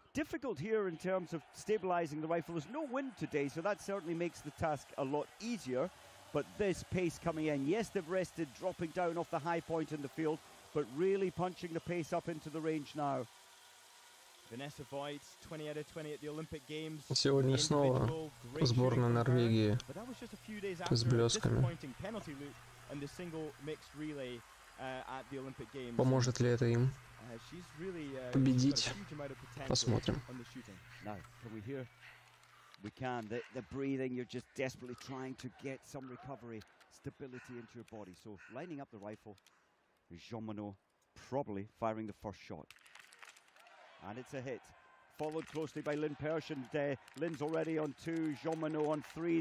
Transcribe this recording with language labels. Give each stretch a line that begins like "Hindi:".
English: difficult here in terms of stabilizing the rifle. There's no wind today, so that certainly makes the task a lot easier. But this pace coming in, yes, they've rested, dropping down off the high point in the field, but really punching the pace up into the range now. Vanessa Voigt, 20 out of 20 at the Olympic Games.
Russian: Сегодня снова сборная Норвегии.
English: But that was just a few days after a disappointing penalty loop and the single mixed relay at the Olympic Games.
Russian: Поможет ли это им победить? Посмотрим.
English: Now, can we hear? We can. The breathing, you're just desperately trying to get some recovery, stability into your body. So lining up the rifle, Jean Monod probably firing the first shot. And it's a hit, followed closely by Lynn Persch, and Lynn's already on two, Jean Monod on three.